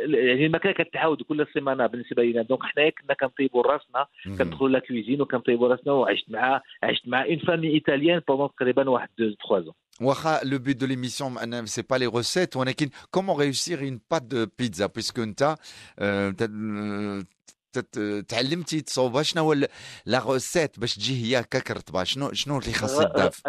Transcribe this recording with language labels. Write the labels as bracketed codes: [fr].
[ar] يعني المكان كتعاود كل سيمانه بالنسبه لينا. دونك حنايا كنا كنطيبوا راسنا كندخلوا لا كوزين وكنطيبوا راسنا. وعشت مع اون فامي ايطاليان بوندون تقريبا واحد 2-3 ans. [fr] Le but de l'émission, ce n'est pas les recettes. Comment réussir une pâte de pizza? Puisque tu as [ar] تعلمتي تصوب شنو هو لا روسيت باش تجي هي ككرت با شنو اللي خاص الداف